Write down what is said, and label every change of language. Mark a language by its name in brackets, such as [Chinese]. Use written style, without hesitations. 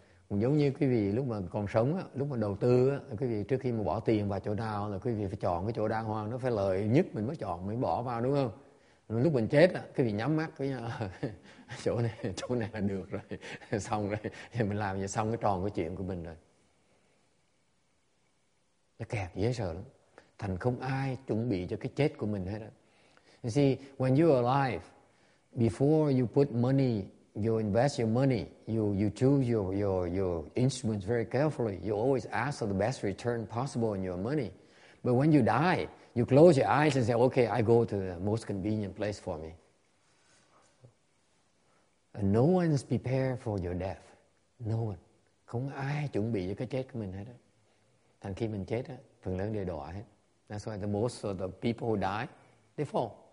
[Vietnamese] Giống như quý vị lúc mà còn sống á, lúc mà đầu tư á, quý vị trước khi mà bỏ tiền vào chỗ nào là quý vị phải chọn cái chỗ đàng hoàng, nó phải lợi nhất mình mới chọn mới bỏ vào, đúng không? Rồi lúc mình chết á, quý vị nhắm mắt cái chỗ này là được rồi, xong rồi thì mình làm vậy xong cái tròn cái chuyện của mình rồi. Nó kẹt dễ sợ lắm, thành không ai chuẩn bị cho cái chết của mình hết á. [English] You see, when you are alive, before you put money, you invest your money, you choose your instruments very carefully, you always ask for the best return possible on your money. But when you die, you close your eyes and say, okay, I go to the most convenient place for me. And no one's prepared for your death. No one. [Vietnamese] Không ai chuẩn bị cho cái chết của mình hết. Thằng khi mình chết, phần lớn đều đọa hết. [English] That's why the most of the people who die, they fall.